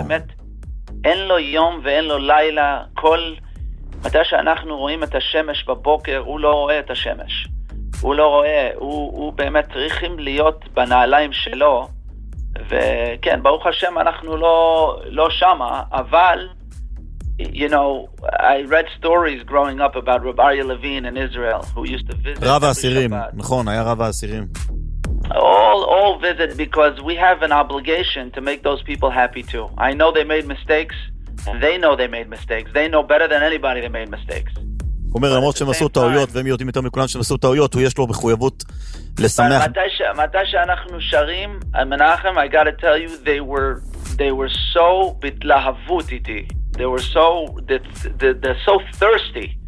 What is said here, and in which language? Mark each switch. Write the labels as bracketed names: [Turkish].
[Hebrew] שבאמת אין לו יום ואין לו לילה, כל, מתי שאנחנו רואים את השמש בבוקר, הוא לא רואה את השמש. הוא לא רואה, הוא באמת צריכים להיות בנעליים שלו, וכן, ברוך השם, אנחנו לא שמה, אבל [English] you know, I read stories growing up about Rav Arya Levin in Israel, who used to visit. [Hebrew] רב האסירים, נכון, היה רב האסירים. [English] All visit because we have an obligation to make those people happy too. I know they made mistakes, and they know they made mistakes. They know better than anybody they made mistakes. [Hebrew] אומר, למרות שהם עשו טעויות, והם יודעים יותר מכולם שהם עשו טעויות, יש לו מחויבות לשמח. מתי שאנחנו שרים, מנחם, [English] I gotta tell you, they were so [Hebrew] בתלהבות איתי. [English] They were so they're so thirsty.